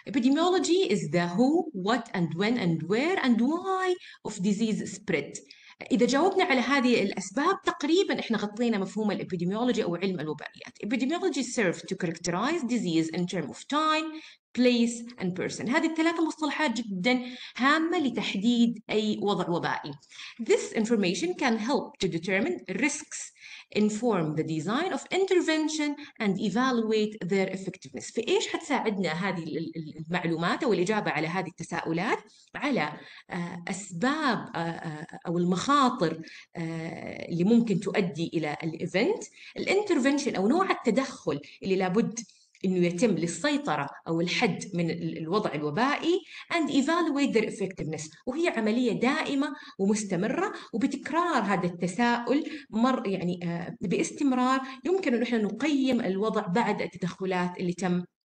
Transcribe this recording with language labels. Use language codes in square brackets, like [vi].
[en] Epidemiology is the who, what, and when, and where, and why of disease spread. [ar] إذا جاوبنا على هذه الأسباب تقريباً إحنا غطينا مفهوم الإبيديميولوجي أو علم الوبائيات. [en] Epidemiology serves to characterize disease in terms of time, place, and person. [ar] هذه الثلاثة مصطلحات جداً هامة لتحديد أي وضع وبائي. [en] This information can help to determine risks, inform the design of intervention and evaluate their effectiveness. [ar] في إيش حتساعدنا هذه المعلومات أو الإجابة على هذه التساؤلات؟ على أسباب أو المخاطر اللي ممكن تؤدي إلى الإيفنت, الانترفنشن أو نوع التدخل اللي لابد إنه يتم للسيطرة أو الحد من الوضع الوبائي, [en] and evaluate their effectiveness, [ar] وهي عملية دائمة ومستمرة, وبتكرار هذا التساؤل يعني باستمرار يمكن إن احنا نقيم الوضع بعد التدخلات اللي تم